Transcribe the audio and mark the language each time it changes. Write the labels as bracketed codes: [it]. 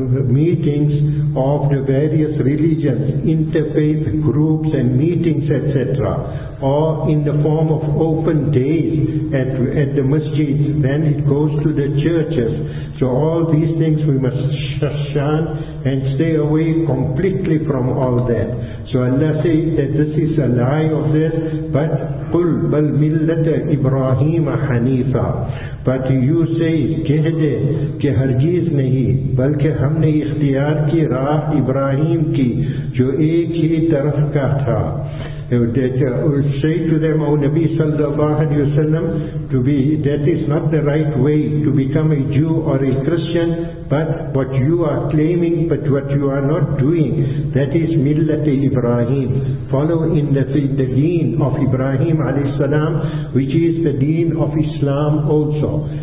[en] meetings of the various religions, interfaith groups and meetings, etc., or in the form of open days at the masjids, then it goes to the churches. So all these things we must shun and stay away completely from all that. So Allah says that this is a lie of this, but [ar] قُلْ بَلْ مِلَّةَ إِبْرَاهِيمَ حَنِيفًا. [en] But you say, [ur] کہہ دے کہ ہرگیز نہیں بلکہ ہم نے اختیار کی راہ ابراہیم کی جو ایک ہی طرف کا تھا. [en] Say to them, O Nabi sallallahu alayhi wa sallam, that is not the right way to become a Jew or a Christian, but what you are claiming, but what you are not doing, that is Millat Ibrahim. Follow in the deen of Ibrahim alayhi salam, which is the deen of Islam also.